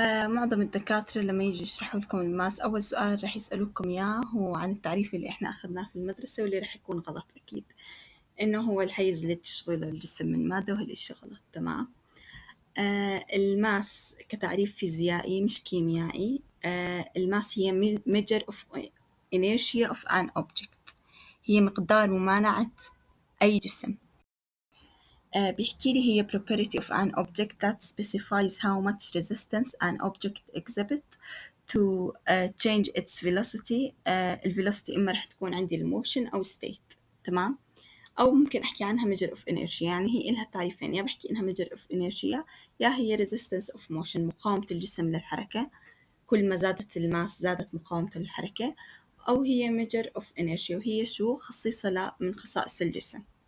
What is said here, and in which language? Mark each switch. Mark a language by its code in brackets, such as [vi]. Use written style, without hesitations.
[ar] معظم الدكاترة لما يجي يشرحوا لكم الماس، أول سؤال رح يسألوكم إياه هو عن التعريف اللي إحنا أخذناه في المدرسة، واللي رح يكون غلط أكيد، إنه هو الحيز اللي تشغله الجسم من مادة، وهالإشي غلط، تمام؟ الماس كتعريف فيزيائي مش كيميائي. الماس هي [en] measure of inertia of an object، [ar] هي مقدار ممانعة أي جسم. بيحكي لي هي [en] property of an object that specifies how much resistance an object exhibit to change its velocity. [ar] الvelocity إما رح تكون عندي motion أو state، تمام؟ أو ممكن أحكي عنها [en] measure of inertia، [ar] يعني هي إلها تعريفين، يا بحكي إنها measure of inertia يا هي [en] resistance of motion، [ar] مقاومة الجسم للحركة، كل ما زادت الماس زادت مقاومة للحركة، أو هي measure of inertia وهي شو؟ خصيصة من خصائص الجسم.